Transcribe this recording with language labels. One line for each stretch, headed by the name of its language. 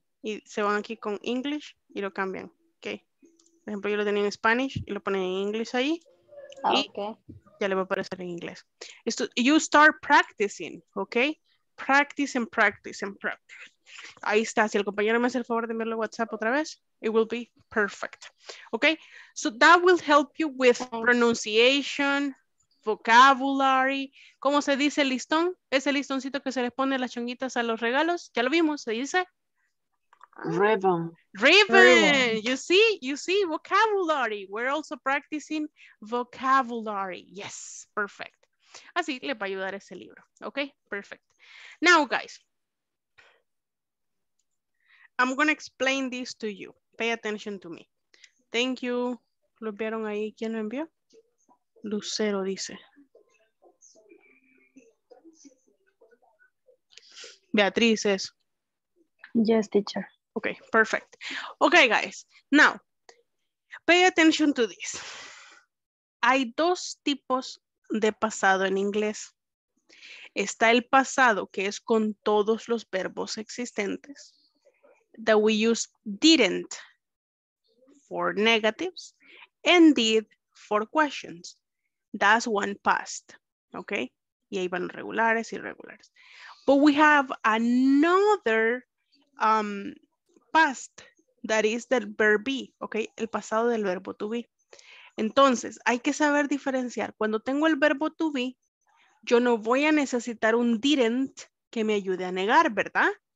Spanish: Y se van aquí con English y lo cambian. ¿Ok? Por ejemplo, yo lo tenía en Spanish y lo ponen en inglés ahí. Ah, ok. Ya le va a aparecer en inglés. Esto,
English: you start practicing,
Spanish: ¿ok?
English: Practice and practice and practice.
Spanish: Ahí está. Si el compañero me hace el favor de enviarle WhatsApp otra vez,
English: it will be perfect.
Spanish: ¿Ok?
English: So that will help you with pronunciation, vocabulary.
Spanish: ¿Cómo se dice el listón? Ese listoncito que se les pone las chonguitas a los regalos. Ya lo vimos. Se dice
English: ribbon. Ribbon. You see, vocabulary. We're also practicing vocabulary. Yes, perfect.
Spanish: Así les va a ayudar ese libro. Okay, perfect.
English: Now, guys, I'm going to explain this to you. Pay attention to me. Thank you.
Spanish: ¿Lo vieron ahí? ¿Quién lo envió? Lucero dice. Beatriz es.
English: Yes, teacher. Okay, perfect. Okay, guys. Now, pay attention to this.
Spanish: Hay dos tipos de pasado en inglés. Está el pasado que es con todos los verbos existentes.
English: That we use didn't for negatives and did for questions. That's one past. Okay?
Spanish: Y ahí van regulares y irregulares.
English: But we have another past, that is the verb be, ok,
Spanish: el pasado del verbo to be. Entonces, hay que saber diferenciar. Cuando tengo el verbo to be, yo no voy a necesitar un didn't que me ayude a negar, ¿verdad?